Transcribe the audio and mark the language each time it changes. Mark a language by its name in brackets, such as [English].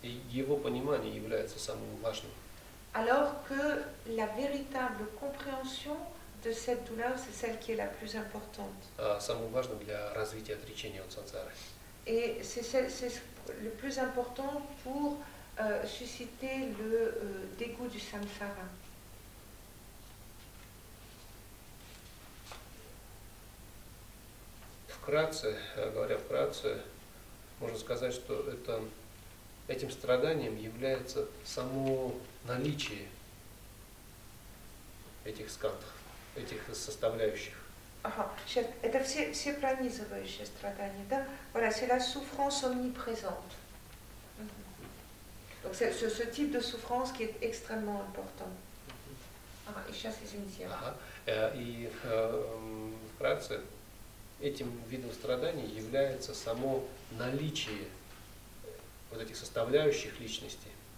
[Russian] Его понимание является самым важным. [French] Alors que la véritable compréhension de cette douleur, c'est celle qui est la plus importante. [Russian] Самое важное для развития отречения от сансары. [French] Et c'est le plus important pour susciter le dégoût du samsara. [Russian] Вкратце, говоря вкратце, можно сказать, что этим страданием является само наличие этих скандов, этих составляющих. Это все пронизывающие страдания, да? [French] Voilà, c'est la souffrance omniprésente. Donc c'est ce type de souffrance qui est extrêmement important. [Russian] И сейчас, извините. И вкратце, этим видом страданий является само наличие вот этих составляющих личности.